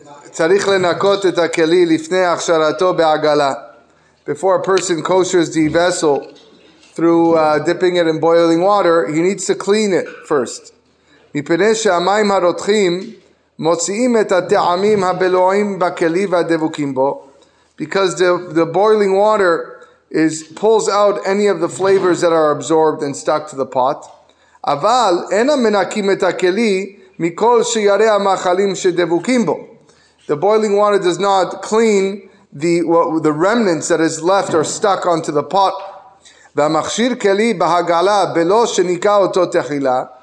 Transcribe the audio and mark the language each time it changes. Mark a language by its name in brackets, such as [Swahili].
[Hebrew] צריך לנקות את הכלי לפני הכשרתו בעגלה. [English] Before a person koshers the vessel through dipping it in boiling water, he needs to clean it first. [Hebrew] מפני שהמים הרותחים מוציאים את הטעמים הבלועים בכלי והדבוקים בו. [English] Because the boiling water pulls out any of the flavors that are absorbed and stuck to the pot. [Hebrew] אבל אינם מנקים את הכלי מכל שיירי המאכלים שדבוקים בו. [English] The boiling water does not clean the remnants that is left or stuck onto the pot. [Hebrew] והמכשיר כלי בהגלה בלא שניקה אותו תחילה.